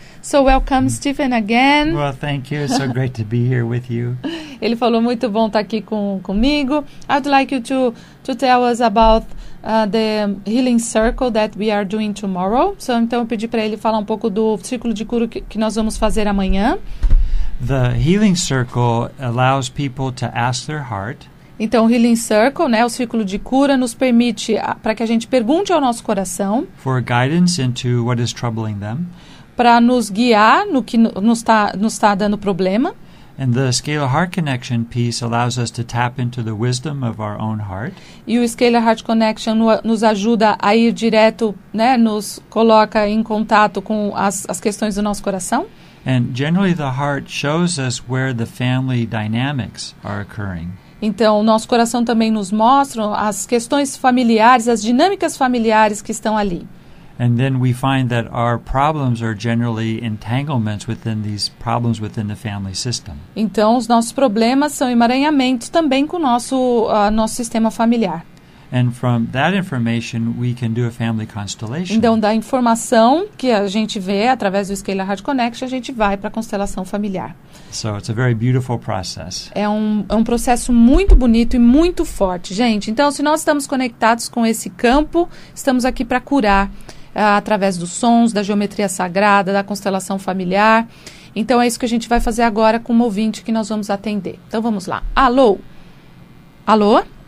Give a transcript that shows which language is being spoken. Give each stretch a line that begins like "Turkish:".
English: So welcome, Stephen, again. Well, thank you. It's so great to be here with you.
Portuguese: Ele falou muito bom estar aqui comigo.
English: I'd like you to tell us about the healing circle that we are doing tomorrow.
Portuguese: So, então, eu pedi para ele falar um pouco do círculo de cura que nós vamos fazer amanhã.
English: The healing circle allows people to ask their heart.
Portuguese: Então, o Healing Circle, né, o círculo de cura, nos permite para que a gente pergunte ao nosso coração.
English: For guidance into what is troubling them.
Portuguese: Para nos guiar no que nos está dando problema.
English: And the Scalar Heart Connection piece allows us to tap into the wisdom of our own heart.
Portuguese: E o Scalar Heart Connection nos ajuda a ir direto, né, nos coloca em contato com as questões do nosso coração.
English: And generally the heart shows us where the family dynamics are occurring.
Portuguese: Então, o nosso coração também nos mostra as questões familiares, as dinâmicas familiares que estão ali.
English: And then we find that our problems are generally entanglements within these problems within the family system.
Portuguese: Então, os nossos problemas são emaranhamentos também com o nosso sistema familiar.
English: And from that information, we can do a family constellation.
Portuguese: Então, da informação que a gente vê através do Scalar Heart Connection, a gente vai para a constelação familiar.
English: So it's a very beautiful process.
Portuguese: É um processo muito bonito e muito forte, gente. Então, se nós estamos conectados com esse campo, estamos aqui para curar através dos sons, da geometria sagrada, da constelação familiar. Então, é isso que a gente vai fazer agora com o ouvinte que nós vamos atender. Então, vamos lá. Alô? Alô?